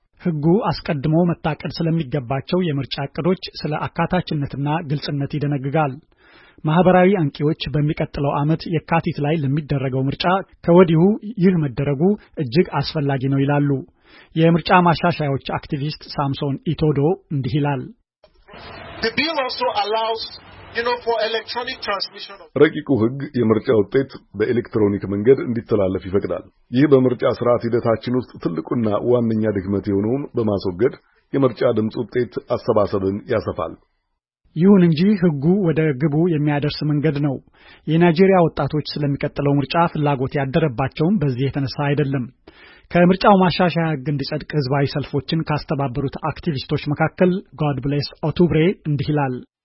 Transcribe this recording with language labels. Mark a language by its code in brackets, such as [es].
[am] ህጉ አስቀድሞ መታቀድ ስለሚገባቸው የምርጫ አቅዶች ስለ አካታችነትና ግልጽነት ይደነግጋል። ማህበራዊ አንቂዎች በሚቀጥለው አመት የካቲት ላይ ለሚደረገው ምርጫ ከወዲሁ ይህ መደረጉ እጅግ አስፈላጊ ነው ይላሉ። የምርጫ ማሻሻያዎች አክቲቪስት ሳምሶን ኢቶዶ እንዲህ ይላል። [en] The bill also allows, you know, for electronic transmission of [am] ረቂቁ ህግ የምርጫ ውጤት በኤሌክትሮኒክ መንገድ እንዲተላለፍ ይፈቅዳል። ይህ በምርጫ ስርዓት ሂደታችን ውስጥ ትልቁና ዋነኛ ድክመት የሆነውን በማስወገድ የምርጫ ድምጽ ውጤት አሰባሰብን ያሰፋል። ይሁን እንጂ ህጉ ወደ ግቡ የሚያደርስ መንገድ ነው። የናይጄሪያ ወጣቶች ስለሚቀጥለው ምርጫ ፍላጎት ያደረባቸው በዚህ የተነሳ አይደለም። ከምርጫው ማሻሻያ ህግ እንዲጸድቅ ህዝባዊ ሰልፎችን ካስተባበሩት አክቲቪስቶች መካከል ጋድ ብሌስ ኦቱብሬ እንዲህ ይላል።